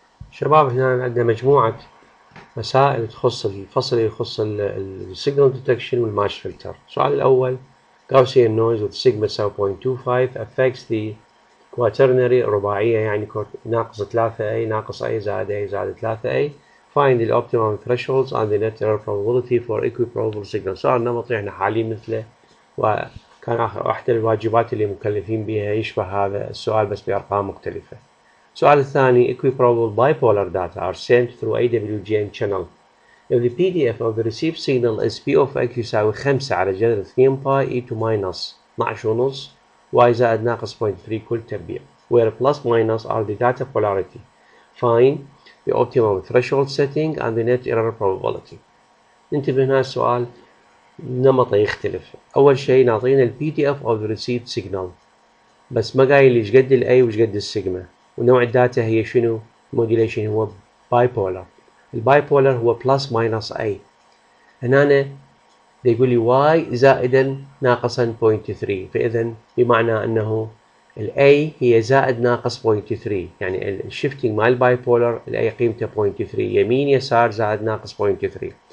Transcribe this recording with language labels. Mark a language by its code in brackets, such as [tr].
[ar] شباب هنا عندنا مجموعة مسائل تخص الفصل اللي يخص السيجنال ديتكشن والماتش فلتر. السؤال الأول: [en] Gaussian noise with sigma 0.25 affects the quaternary [ar] رباعية يعني ناقص 3a ناقص a زائد a زائد 3a. [en] Find the optimum thresholds and the net error probability for equiprobable signal. [ar] سؤال نمطي احنا حاليا مثله، وكان أحد الواجبات اللي مكلفين بها يشبه هذا السؤال بس بأرقام مختلفة. السؤال الثاني: [en] Equiprobable bipolar data are sent through AWGN channel. If the PDF of the received signal is P of X [ar] يساوي 5 على جذر 2 باي [en] e to minus 12 [ar] ونص y زائد ناقص 0.3 كل تربيع، [en] where plus minus are the data polarity. Find the optimum threshold setting and the net error probability. [ar] ننتبه هنا السؤال نمطه يختلف. أول شيء ناطينا الـ [en] PDF of the received signal [ar] بس ما قايل ايش قد الـ A وايش قد السيجما. ونوع الداتا هي شنو؟ موديليشن هو باي بولر. الباي بولر هو بلس ماينس اي. هنا يقول لي واي زائدا ناقصا 0.3، فاذا بمعنى انه الاي هي زائد ناقص 0.3، يعني الشيفتنج مال الباي بولر الاي قيمته 0.3 يمين يسار زائد ناقص 0.3.